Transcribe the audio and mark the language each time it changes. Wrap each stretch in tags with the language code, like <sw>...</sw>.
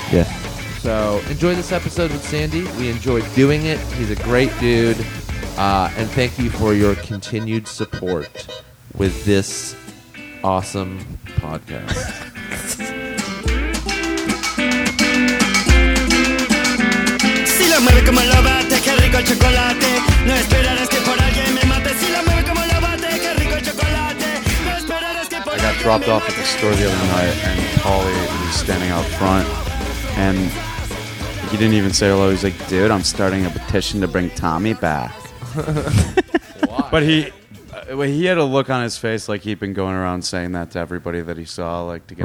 <en>Yeah. So enjoy this episode with Sandy. We enjoyed doing it. He's a great dude. And thank you for your continued support with this awesome podcast.</en> <es>Si lo mueve como lo bate, qué rico el chocolate. No esperarás que por alguien me mate. Si lo mueve como lo bate, qué rico el chocolate. No esperarás que por alguien.</es> <en>I got dropped off at the store the other night, and Pauly was standing out front, and he didn't even say hello. He's like, "Dude, I'm starting a petition to bring Tommy back." But he had a look on his face like he'd been going around saying that to everybody that he saw, like to get</en>